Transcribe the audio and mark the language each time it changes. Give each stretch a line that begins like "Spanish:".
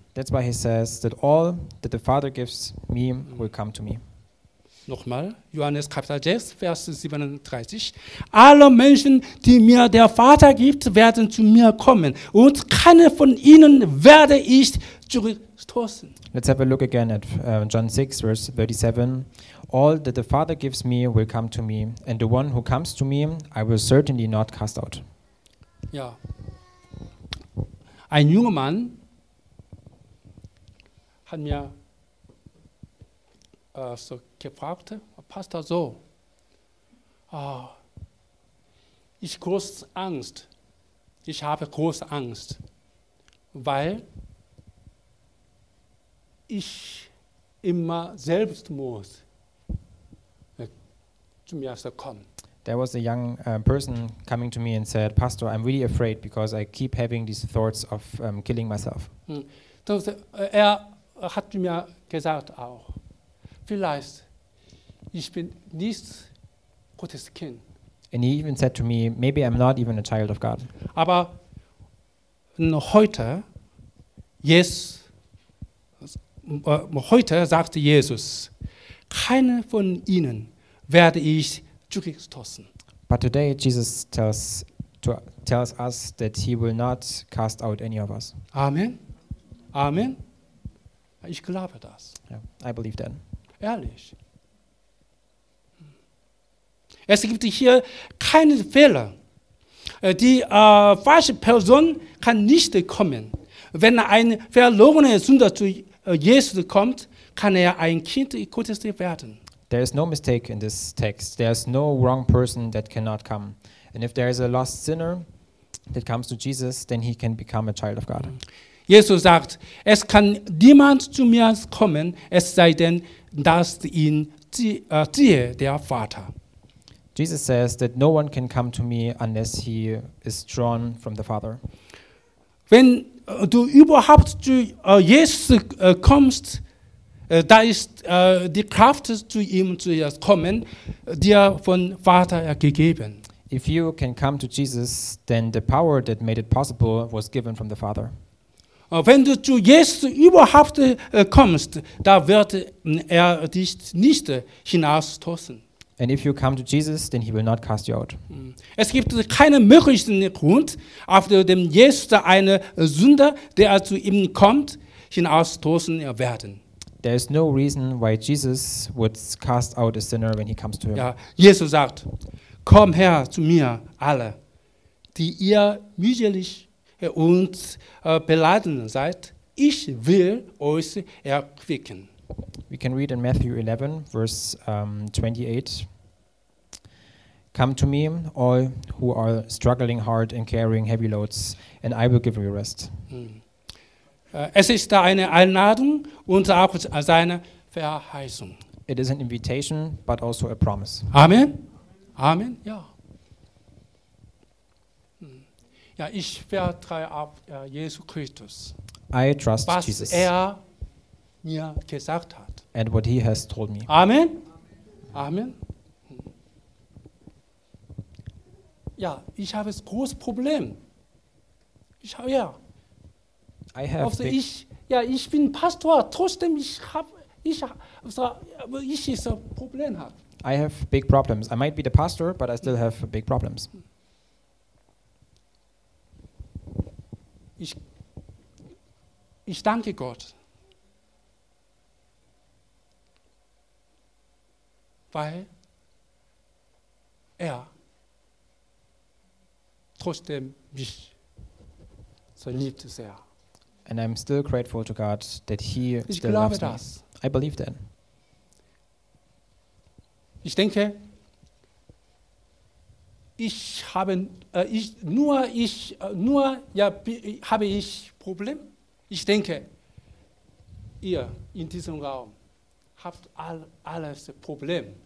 English: That's why he says that all that the Father gives me will come to me.
German: Nochmal, Johannes Kapitel 6, Vers 37. Alle Menschen, die mir der Vater gibt, werden zu mir kommen und keine von ihnen werde ich zurückstoßen.
English: Let's have a look again at John 6, verse 37. All that the Father gives me will come to me and the one who comes to me, I will certainly not cast out.
German: Ja. Ein junger Mann hat mir so gefragt, Pastor, so, ich große Angst, ich habe große Angst, weil ich immer Selbstmord zu mir so komme.
English: There was a young person coming to me and said, Pastor, I'm really afraid because I keep having these thoughts of killing myself.
German: Er hat mir gesagt auch, vielleicht ich bin nicht Gottes Kind.
English: And he even said to me, maybe I'm not even a child of God.
German: Aber heute, heute sagte Jesus, keine von ihnen werde ich zurückstoßen.
English: But today Jesus tells us that he will not cast out any of us.
German: Amen. Amen. Ich glaube das.
English: Yeah, I believe that.
German: Ehrlich. Es gibt hier keinen Fehler. Die falsche Person kann nicht kommen. Wenn ein verlorener Sünder zu Jesus kommt, kann er ein Kind Gottes werden.
English: There is no mistake in this text. There is no wrong person that cannot come. And if there is a lost sinner that comes to Jesus, then he can become a child of God.
German: Jesus sagt, es kann niemand zu mir kommen, es sei denn, dass ihn ziehe der Vater.
English: Jesus says that no one can come to me unless he is drawn from the Father.
German: Wenn du überhaupt zu Jesus kommst, da ist die Kraft zu ihm zu kommen, dir von Vater gegeben.
English: If you can come to Jesus, then the power that made it possible was given from the Father.
German: Wenn du zu Jesus überhaupt kommst, da wird er dich nicht hinausstoßen.
English: And if you come to Jesus, then he will not cast you out.
German: Es gibt keinen möglichen Grund, auf dem Jesus eine Sünder, der zu ihm kommt, hinausstoßen werden.
English: There is no reason why Jesus would cast out a sinner when he comes to him.
German: Ja, Jesus sagt, komm her zu mir alle, die ihr mühselig und beladen seid, ich will euch erquicken.
English: We can read in Matthew 11, verse 28. Come to me, all who are struggling hard and carrying heavy loads, and I will give you rest.
German: Es ist da eine Einladung und auch seine Verheißung.
English: It is an invitation, but also a promise.
German: Amen. Amen, ja. Ja, ich vertraue auf Jesus Christus.
English: I trust
German: was
English: Jesus.
German: Was er mir gesagt hat.
English: And what he has told me. Amen. Amen.
German: Ja, ich habe ein großes Problem. Ich habe, ja.
English: I have
German: also ich, ja, ich bin Pastor, trotzdem ich habe, ich habe, ich ist ein Problem.
English: I have big problems. I might be the pastor, but I still have big problems.
German: Ich danke Gott. weil er trotzdem mich so liebt sehr.
English: And I'm still grateful to God that he
German: ich still
English: loves
German: das.
English: Me. I believe that.
German: Ich denke, habe ich Problem. Ich denke, ihr in diesem Raum habt alles Problem.